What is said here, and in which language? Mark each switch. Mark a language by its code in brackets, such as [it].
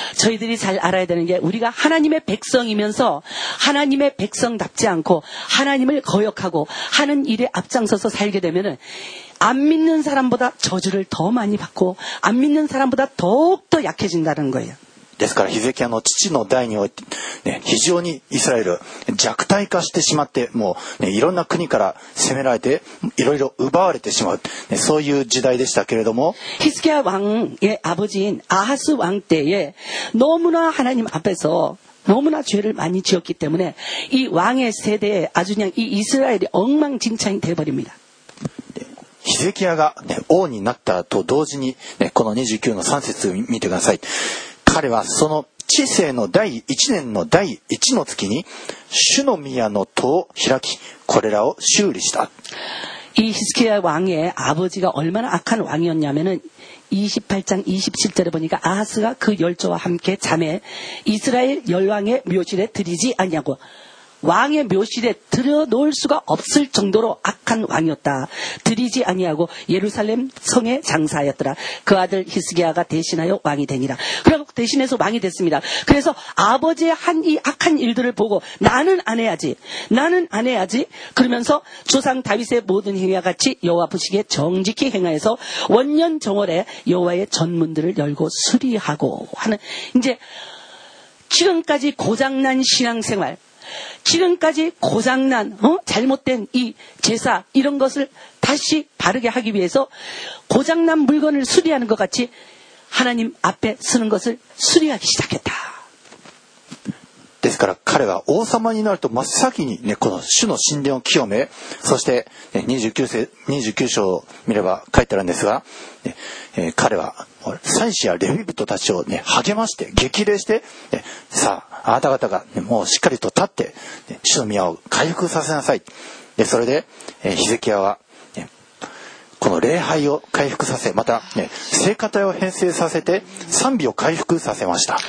[ko] 저희들이 잘 알아야 되는 게 우리가 하나님의 백성이면서 하나님의 백성답지 않고 하나님을 거역하고 하는 일에 앞장서서 살게 되면은 안 믿는 사람보다 저주를 더 많이 받고 안 믿는 사람보다 더욱더 약해진다는 거예요. [ja] ですから、ヒゼキヤの父の代において、非常にイスラエル弱体化してしまって、もういろんな国から攻められて、いろいろ奪われてしまう、そういう時代でしたけれども。 [ko] 히스기야 왕의 아버지인 아하스 왕 때에 너무나 하나님 앞에서 너무나 죄를 많이 지었기 때문에 이 왕의 세대에 아주 그냥 이 이스라엘이 엉망진창이 되어버립니다. [ja] 히스기야가 王になったと同時に、この 29の 3節を見てください。彼はその治世の第1年の第1の月に主の宮の戸を開きこれらを修理した。 [ko] 이 히스기야 왕의 아버지가 얼마나 악한 왕이었냐면은 28장 27절에 보니까 아하스가 그 열조와 함께 잠에 이스라엘 열왕의 묘실에 들이지 않냐고 왕의 묘실에 들여 놓을 수가 없을 정도로 악한 왕이었다. 들이지 아니하고 예루살렘 성에 장사하였더라. 그 아들 히스기야가 대신하여 왕이 되니라. 그리고 대신해서 왕이 됐습니다. 그래서 아버지의 한 이 악한 일들을 보고 나는 안 해야지. 나는 안 해야지. 그러면서 조상 다윗의 모든 행위와 같이 여호와 보시기에 정직히 행하여서 원년 정월에 여호와의 전문들을 열고 수리하고 하는 이제 지금까지 고장난 신앙생활지금까지고장난잘못된이제사이런것을다시바르게하기위해서고장난물건을수리하는것같이하나님앞에쓰는것을수리하기시작했다 [ja] ですから彼は王様になると真っ先に、ね、この主の神殿を清めそして、ね、29章を見れば書いてあるんですが、ね、彼は祭司やレビ人たちを、ね、励まして激励して、ね、さああなた方が、ね、もうしっかりと立って、ね、主の宮を回復させなさいでそれで、ヒゼキヤは、ね、この礼拝を回復させまた、ね、聖歌隊を編成させて賛美を回復させました。